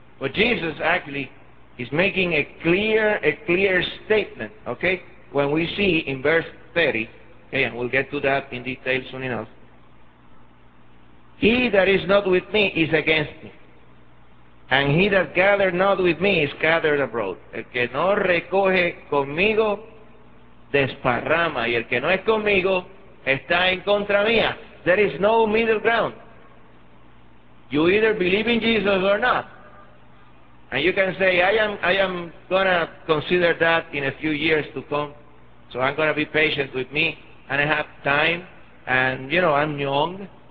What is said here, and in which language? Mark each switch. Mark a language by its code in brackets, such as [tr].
[en] But Jesus actually is making a clear statement, okay? When we see in verse 30, okay, and we'll get to that in detail soon enough. He that is not with me is against me. And he that gathered not with me is gathered abroad. [es] El que no recoge conmigo desparrama. Y el que no es conmigo está en contra mía. [en] There is no middle ground. You either believe in Jesus or not. And you can say, I am going to consider that in a few years to come. So I'm going to be patient with me. And I have time. And, you know, I'm young.